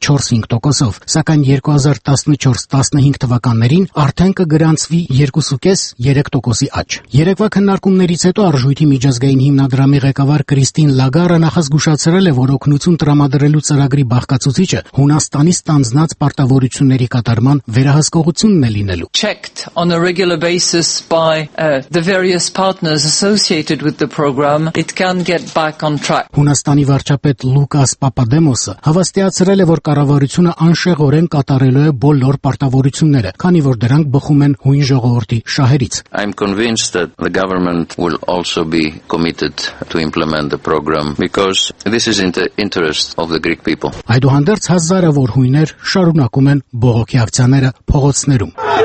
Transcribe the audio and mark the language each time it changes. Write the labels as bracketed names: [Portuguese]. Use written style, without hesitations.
[Armenian] 4-5%-ով, սակայն 2014-15 թվականներին արդեն կգրանցվի 2.5-3%-ի աճ։ Երեկվա քննարկումներից հետո Արժույթի միջազգային հիմնադրամի ղեկավար Քրիստին Լագարը նախազգուշացրել է, որ օգնություն տրամադրելու ծրագրի բաղկացուցիչը Հունաստանի ստանձնած պարտավորությունների կատարման վերահսկողությունն է լինելու։ [English] Checked on a regular basis by the various partners associated with the program, it can get back on track. [Armenian] Հունաստանի վարչապետ Լուկաս Պապադեմոսը հավաստիացրել է, որ կառավարությունը անշեղորեն կատարելու է բոլոր պարտավորությունները, քանի որ դրանք բխում են հույն ժողովրդի շահերից։ [English] I'm convinced that the government will also be committed to implement the program because this is in the interest of the Greek people. [Armenian] Այդուհանդերձ հազարավոր հույներ շարունակում են բողոքի ակցիաները փողոցներում։